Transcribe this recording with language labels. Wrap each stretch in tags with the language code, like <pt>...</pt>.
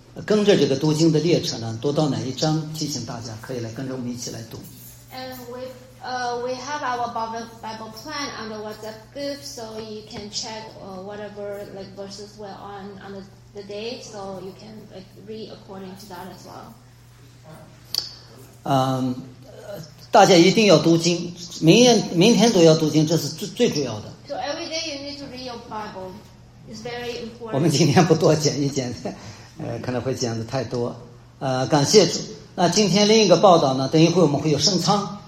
<zh>跟着这个读经的列车呢，读到哪一章，提醒大家可以来跟着我们一起来读。</zh> <en>And we have our Bible plan on the WhatsApp group, so you can check whatever like verses were on the day, so you can like read according to that as well.</en> <zh>大家一定要读经，明天都要读经，这是最主要的。</zh> <en>So every day you need to read your Bible. It's very important.</en> <zh>我们今天不多讲一讲。可能会讲的太多，感谢主。那今天另一个报道呢？等一会我们会有圣餐。</zh>